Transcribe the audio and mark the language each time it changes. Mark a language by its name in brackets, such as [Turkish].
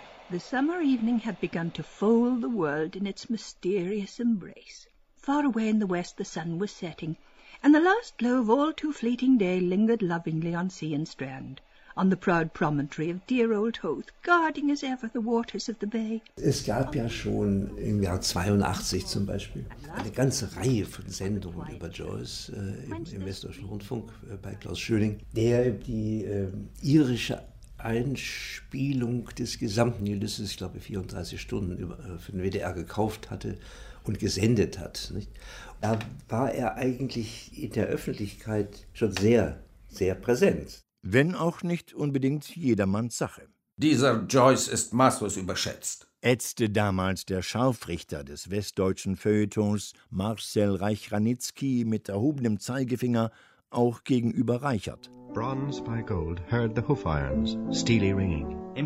[English] The summer evening had begun to fold the world in its mysterious embrace. Far away in the west the sun was setting, and the last glow of all too fleeting day lingered lovingly on sea and strand, on the proud promontory of dear old Hoth, guarding as ever the waters of the bay. [German] Es gab ja schon im Jahr 82 zum Beispiel eine ganze Reihe von Sendungen über Joyce im Westdeutschen Rundfunk bei Klaus Schöning, der die irische Einspielung des gesamten Ulysses, ich glaube 34 Stunden, für den WDR gekauft hatte und gesendet hat. Nicht? Da war er eigentlich in der Öffentlichkeit schon sehr, sehr präsent. Wenn auch nicht unbedingt jedermanns Sache. Dieser Joyce ist maßlos überschätzt, ätzte damals der Scharfrichter des westdeutschen Feuilletons Marcel Reich-Ranitzky mit erhobenem Zeigefinger auch gegenüber Reichert. [English] Bronze by gold heard the hoof irons, steely ringing.